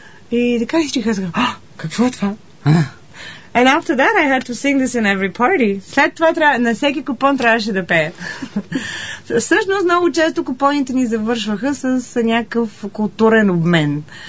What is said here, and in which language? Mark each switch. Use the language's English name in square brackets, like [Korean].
[Bulgarian] И така си казах, какво е това? [English] And after that I had to sing this in every party. [Bulgarian] След това на всеки купон трябваше да пее. Всъщност много често купоните ни завършваха с някакъв културен обмен.